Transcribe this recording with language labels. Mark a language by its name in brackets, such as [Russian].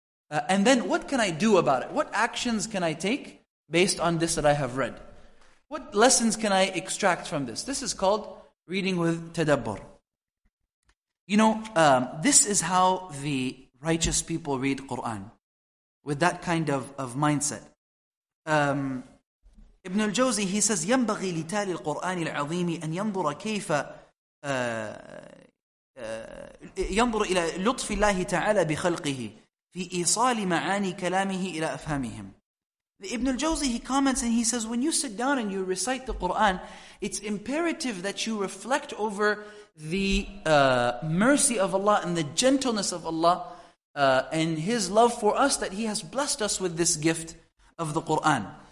[English] And then what can I do about it? What actions can I take based on this that I have read? What lessons can I extract from this? This is called reading with tadabbur. You know, this is how the righteous people read Quran, with that kind of mindset. Ibn al-Jawzi, he says, [Arabic] يَنْبَغِي لِتَالِي الْقُرْآنِ الْعَظِيمِ أَنْ يَنْظُرَ كَيْفَ يَنْظُرُ إِلَى لُطْفِ اللَّهِ تَعَالَى بِخَلْقِهِ فِي إِيصَالِ مَعَانِي كَلَامِهِ إِلَى أَفْهَامِهِمْ. [English] Ibn al-Jawzi, he comments and he says, when you sit down and you recite the Qur'an, it's imperative that you reflect over the mercy of Allah and the gentleness of Allah and His love for us, that He has blessed us with this gift of the Qur'an.